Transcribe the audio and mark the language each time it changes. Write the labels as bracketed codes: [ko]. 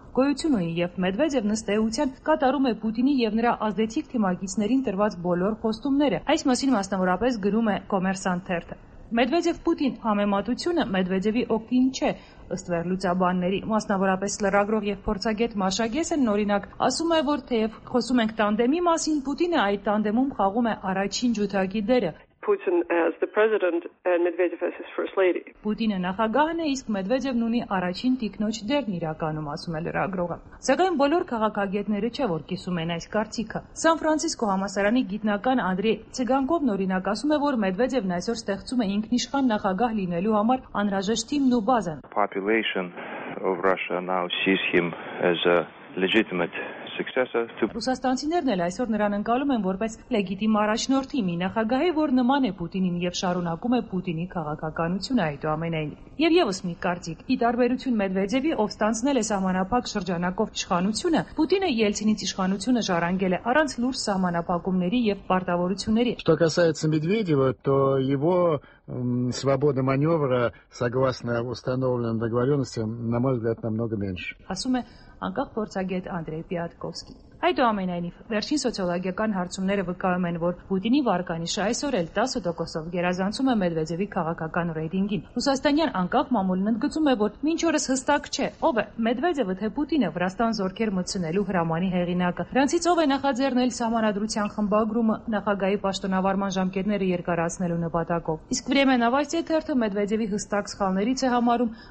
[hy] գոյություն ունի, և Մեդվեդևն ըստ էության կատարում է Պուտինի և նրա ազդեցիկ թիմակիցներին տրված բոլոր խոստումները։ Այս մասին մասնավորապես գրում է Կոմերսանտ թերթը։ Մեդվեդև-Պուտին համեմատությունը Մեդվեդևի օգտին չէ, ըստ վերլուծաբանների, մասնավորապես լրագրող և փորձագետ Մաշա Գեսեն օրինակ ասում է, որ թեև խոսում ենք տանդեմի մասին, Պուտինը այդ տանդեմում խաղում է առաջին ջութակի դերը։ [en] Putin as the president and Medvedev as his first lady. [hy] Պուտինը նախագահն է, իսկ Մեդվեդևն ունի առաջին տիկնոջ դերն իրականում, ասում է լրագրողը։ Սակայն բոլոր քաղաքագետները չէ, որ կիսում են այս կարծիքը։ Սան Ֆրանցիսկո համասարանի գիտնական Անդրեյ Ցիգանկովն օրինակ ասում է, որ Մեդվեդևն այսօր ստեղծում է ինքնիշխան նախագահ լինելու համար անհրաժեշտ թիմն ու բազան։ [en] Population of Russia now sees him as a legitimate [hy] Ռուսաստանցիներն էլ այսօր նրան ընկալում են որպես լեգիտիմ առաջնորդի, մի նախագահի, որ նման է Պուտինին եւ շարունակում է Պուտինի քաղաքականությունը այդուամենայնիվ։ Եվ եւս մի կարծիք՝ ի տարբերություն Մեդվեդևի, ով ստանցնել է սահմանապակ շրջանակով իշխանությունը, Պուտինը Ելցինից իշխանությունը ժառանգել է առանց լուրջ սահմանապակումների եւ պարտավորությունների։ [ru] Что касается Медведева, то его свобода манёвра согласно установленным договорённостям, на мой взгляд, намного меньше. [hy] Ասում է անկախ փորձագետ Անդրեյ Պիատկովսկի։ Այդուամենայնիվ, վերջին սոցիոլոգիական հարցումները վկայում են, որ Պուտինի վարկանիշը այսօր էլ 10%-ով գերազանցում է Մեդվեդևի քաղաքական ռեյտինգին։ Ռուսաստանյան անկախ մամուլն ընդգծում է, որ մինչ օրս հստակ չէ, ով է Մեդվեդևը թե Պուտինը Վրաստան զորքեր մտցնելու հրամանի հեղինակը։ Նրանցից ով է նախաձեռնել սահմանադրության խմբագրումը նախագահի պաշտոնավարման ժամկետները երկարացնելու նպատակով։ Իսկ Վրեմենավայցի թերթը Մեդվեդևի հստակ սխալներից է համարում